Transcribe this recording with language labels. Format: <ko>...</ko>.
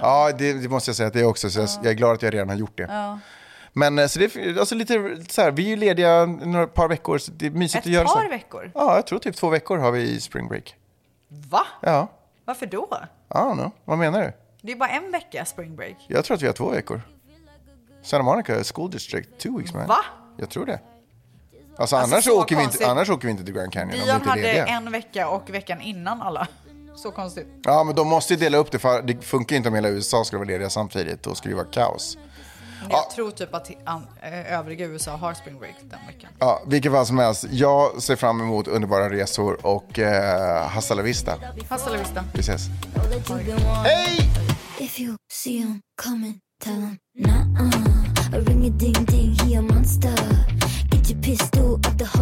<sv>Ja, det måste jag säga att det är också. Så jag är glad att jag redan har gjort det. Ja. Men så det är, alltså lite så här, vi är ju lediga några par veckor, så det är mysigt att göra så. Ett par veckor? Ja, jag tror typ 2 veckor har vi i spring break. Va? Ja. Varför då? Ja, nu. Vad menar du? Det är bara en vecka spring break. Jag tror att vi har 2 veckor.</sv> <en>Santa Monica School District, 2 weeks, man.</en> <sv>Va? Jag tror det. Alltså annars så åker vi inte, annars åker vi inte till Grand Canyon om vi inte är lediga. Dion hade en vecka och veckan innan alla. Så konstigt. Ja, men de måste ju dela upp det, för det funkar inte om hela USA ska vara lediga samtidigt. Då skulle det vara kaos. Men jag tror typ att övriga USA har spring break den veckan. Ja, vilket fall som helst. Jag ser fram emot underbara resor och</sv> <es>hasta la vista. Hasta la vista.</es> <sv>Vi ses. Hej!</sv> <en>If you see him coming, tell him, nah-uh. Ring a ding ding, he a monster. Get your pistol up.</en>